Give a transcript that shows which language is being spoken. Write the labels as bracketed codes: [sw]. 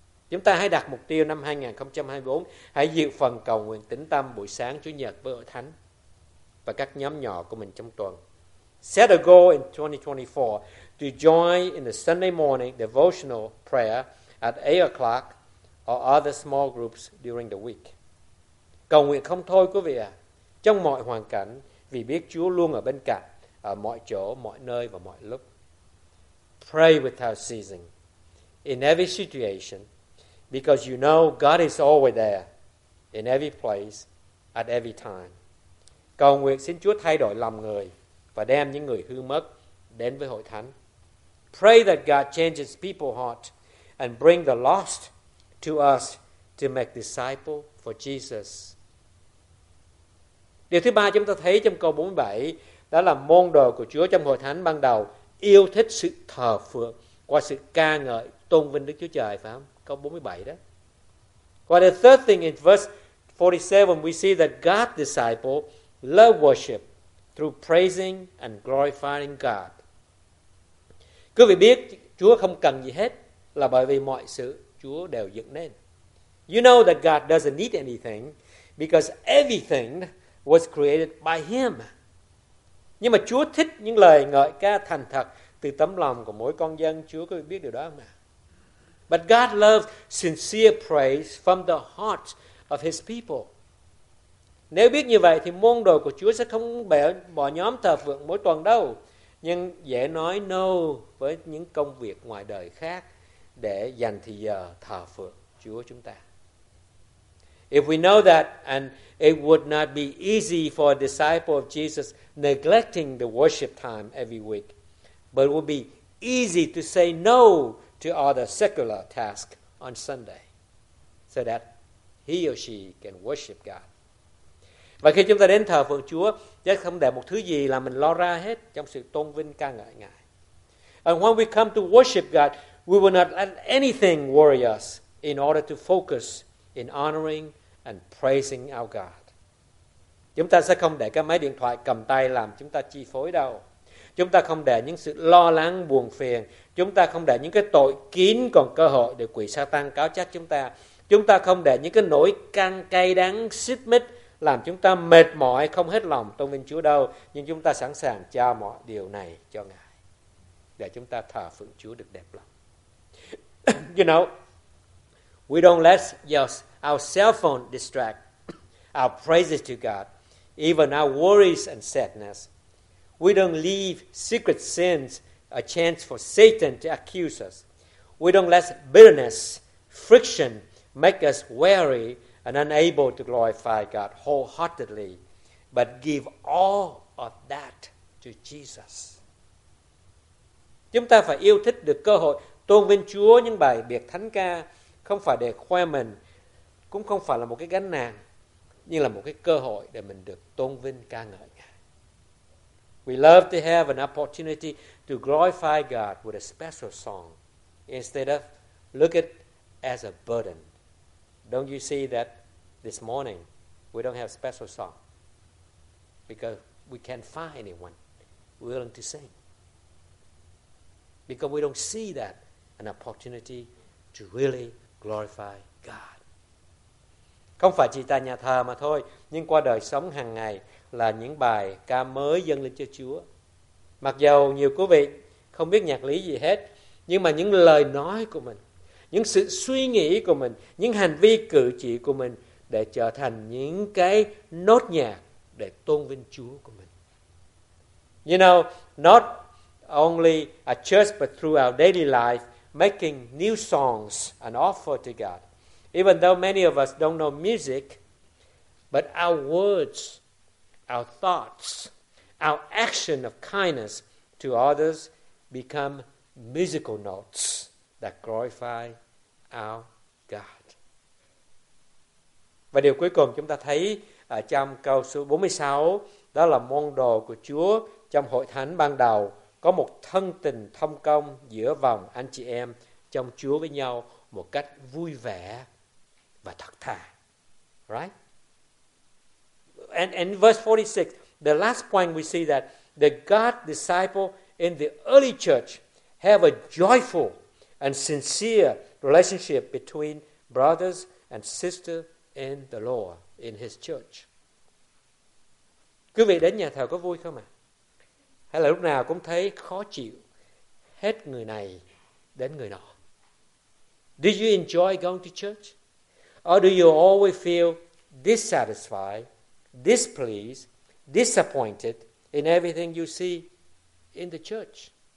[vi] Chúng ta hãy đặt mục tiêu năm 2024, hãy dự phần cầu nguyện tĩnh tâm buổi sáng Chủ nhật với hội thánh và các nhóm nhỏ của mình trong tuần. [en] set a goal in 2024 to join in the Sunday morning devotional prayer at 8 o'clock or other small groups during the week. [vi] Cầu nguyện không thôi quý vị ạ, trong mọi hoàn cảnh, vì biết Chúa luôn ở bên cạnh, ở mọi chỗ, mọi nơi và mọi lúc. [en] Pray without ceasing, in every situation, because you know God is always there, in every place, at every time. [vi] Cầu nguyện xin Chúa thay đổi lòng người và đem những người hư mất đến với hội thánh. [en] Pray that God changes people's heart and bring the lost to us to make disciples for Jesus. [vi] Điều thứ ba chúng ta thấy trong câu 47 đó là môn đồ của Chúa trong hội thánh ban đầu yêu thích sự thờ phượng qua sự ca ngợi tôn vinh Đức Chúa Trời, phải không? Câu 47 đó. [en] Well, the third thing in verse 47, we see that God's disciples love worship through praising and glorifying God. [vi] Quý vị biết Chúa không cần gì hết là bởi vì mọi sự Chúa đều dựng nên. [en] You know that God doesn't need anything because everything was created by Him. [vi] Nhưng mà Chúa thích những lời ngợi ca thành thật từ tấm lòng của mỗi con dân Chúa, quý vị biết điều đó không ạ? [en] But God loves sincere praise from the heart of His people. [vi] Nếu biết như vậy thì môn đồ của Chúa sẽ không bỏ nhóm thờ phượng mỗi tuần đâu, nhưng dễ nói no với những công việc ngoài đời khác để dành thời giờ thờ phượng Chúa chúng ta. [en] If we know that, and it would not be easy for a disciple of Jesus neglecting the worship time every week, but it would be easy to say no to all the secular tasks on Sunday, so that he or she can worship God. [vi] Và khi chúng ta đến thờ phượng Chúa, chắc không để một thứ gì là mình lo ra hết trong sự tôn vinh ca ngợi Ngài. [en] And when we come to worship God, we will not let anything worry us in order to focus in honoring and praising our God. [vi] Chúng ta sẽ không để cái máy điện thoại cầm tay làm chúng ta chi phối đâu. Chúng ta không để những sự lo lắng buồn phiền, chúng ta không để những cái tội kín còn cơ hội để quỷ Satan cáo trách chúng ta. Chúng ta không để những cái nỗi căng cay đắng xích mích làm chúng ta mệt mỏi không hết lòng tôn vinh Chúa đâu, nhưng chúng ta sẵn sàng trao mọi điều này cho Ngài để chúng ta thờ phượng Chúa được đẹp lòng. [en] You know, we don't let our cell phone distract our praises to God, even our worries and sadness. We don't leave secret sins a chance for Satan to accuse us. We don't let bitterness, friction, make us wary and unable to glorify God wholeheartedly, but give all of that to Jesus. [vi] Chúng ta phải yêu thích được cơ hội tôn vinh Chúa những bài biệt thánh ca, không phải để khoe mình, cũng không phải là một cái gánh nặng, nhưng là một cái cơ hội để mình được tôn vinh ca ngợi Ngài. [en] We love to have an opportunity to glorify God with a special song instead of look at it as a burden. Don't you see that this morning we don't have a special song because we can't find anyone willing to sing, because we don't see that an opportunity to really glorify God. [vi] Không phải chỉ tại nhà thờ mà thôi, nhưng qua đời sống hàng ngày là những bài ca mới dâng lên cho Chúa. Mặc dầu nhiều quý vị không biết nhạc lý gì hết, nhưng mà những lời nói của mình, những sự suy nghĩ của mình, những hành vi cử chỉ của mình để trở thành những cái nốt nhạc để tôn vinh Chúa của mình. [en] You know, not only at church but through our daily life, making new songs and offer to God. Even though many of us don't know music, but our words, our thoughts, our action of kindness to others become musical notes that glorify our God. [vi] Và điều cuối cùng chúng ta thấy ở trong câu số 46 đó là môn đồ của Chúa trong hội thánh ban đầu có một thân tình thông công giữa vòng anh chị em trong Chúa với nhau một cách vui vẻ và thật thà. [en] Right? And in verse 46, the last point we see that the God disciple in the early church have a joyful and sincere relationship between brothers and sisters in the Lord, in his church. [vi] Quý vị đến nhà thờ có vui không ạ? hay là lúc nào cũng thấy khó chịu hết người này đến người nọ? [en] Do you enjoy going to church? Or do you always feel dissatisfied, displeased, disappointed in everything you see in the church?